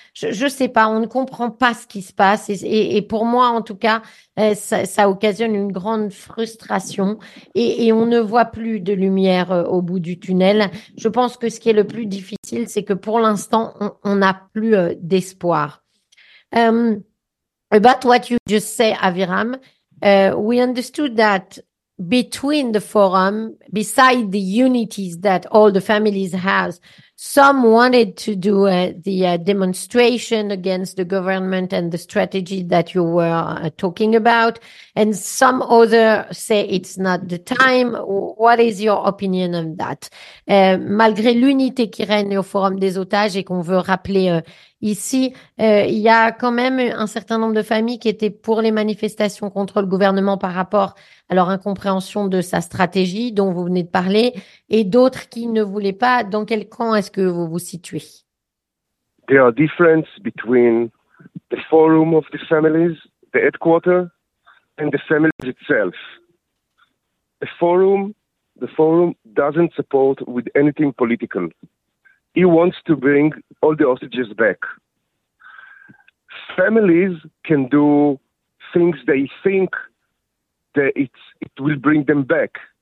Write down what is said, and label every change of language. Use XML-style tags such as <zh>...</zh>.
<fr>Je ne sais pas, on ne comprend pas ce qui se passe. Et pour moi, en tout cas, ça occasionne une grande frustration et on ne voit plus de lumière au bout du tunnel. Je pense que ce qui est le plus difficile, c'est que pour l'instant, on n'a plus d'espoir.</fr> <en>About what you just say, Aviram, we understood that between the forum, beside the unities that all the families have, some wanted to do demonstration against the government and the strategy that you were talking about, and some other say it's not the time. What is your opinion on that?</en> <fr>Malgré l'unité qui règne au Forum des otages et qu'on veut rappeler ici, il y a quand même un certain nombre de familles qui étaient pour les manifestations contre le gouvernement par rapport à leur incompréhension de sa stratégie dont vous venez de parler, et d'autres qui ne voulaient pas. Dans quel camp est-ce que vous vous situez?</fr> <en>There are differences between the forum of the families, the headquarters, and the families itself. The forum doesn't support with anything political. He wants to bring all the hostages back. Families can do things they think that it will bring them back.</en>